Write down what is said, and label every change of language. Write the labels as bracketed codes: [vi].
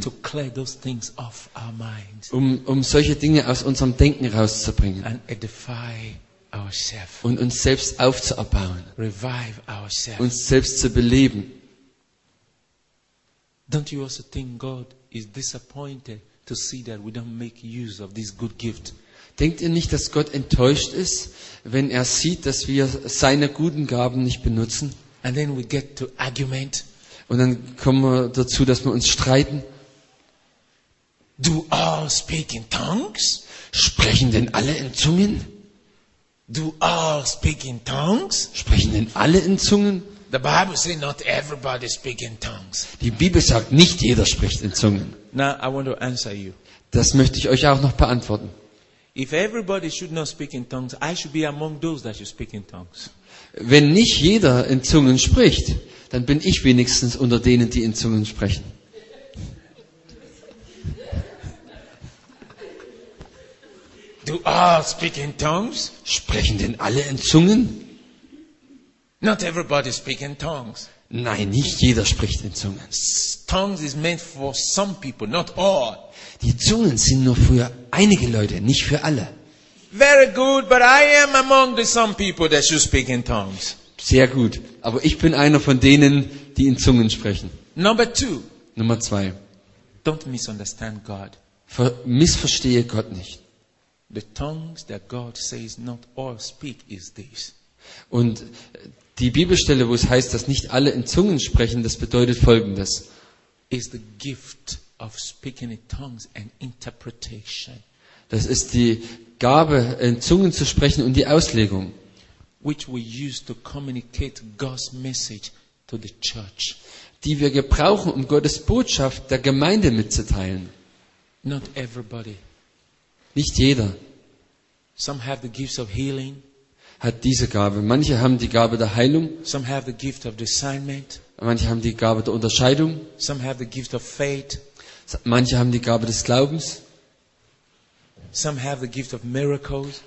[en] To clear those things off our minds. [de] Um solche Dinge aus unserem Denken rauszubringen. [en] And edify ourselves. [de] Und uns selbst aufzubauen. [en] Revive ourselves. [de] Uns selbst zu beleben. [en] Don't you also think God is disappointed to see that we don't make use of this good gift? [de] Denkt ihr nicht, dass Gott enttäuscht ist, wenn er sieht, dass wir seine guten Gaben nicht benutzen? [en] And then we get to argument. [de] Und dann kommen wir dazu, dass wir uns streiten. [en] Do all speak in tongues? [de] Sprechen denn alle in Zungen? [en] Do all speak in tongues? [de] Sprechen denn alle in Zungen? [en] The Bible says not everybody speaks in tongues. [de] Die Bibel sagt, nicht jeder spricht in Zungen. [en] Now I want to answer you. [de] Das möchte ich euch auch noch beantworten. [en] If everybody should not speak in tongues, I should be among those that should speak in tongues. [de] Wenn nicht jeder in Zungen spricht, dann bin ich wenigstens unter denen, die in Zungen sprechen. [en] Do all speak in tongues? [de] Sprechen denn alle in Zungen? [en] Not everybody speak in tongues. [de] Nein, nicht jeder spricht in Zungen. [en] Tongues is meant for some people, not all. [de] Die Zungen sind nur für einige Leute, nicht für alle. [en] Very good, but I am among the some people that should speak in tongues. [de] Sehr gut, aber ich bin einer von denen, die in Zungen sprechen. [en] Number two. [de] Nummer zwei. [en] Don't misunderstand God. [de] Missverstehe Gott nicht. [en] The tongues that God says not all speak is this. [de] Und die Bibelstelle, wo es heißt, dass nicht alle in Zungen sprechen, das bedeutet Folgendes. [en] Is the gift of speaking in tongues and interpretation. [de] Das ist die Gabe, in Zungen zu sprechen und die Auslegung. [en] Which we use to communicate God's message to the church. [de] Die wir gebrauchen, um Gottes Botschaft der Gemeinde mitzuteilen. [en] Not everybody. [de] Nicht jeder. [en] Some have the gifts of healing. [de] Hat diese Gabe. Manche haben die Gabe der Heilung. [en] Some have the gift of discernment. [de] Manche haben die Gabe der Unterscheidung. [en] Some have the gift of faith. [de] Manche haben die Gabe des Glaubens. [en] Some have the gift of miracles.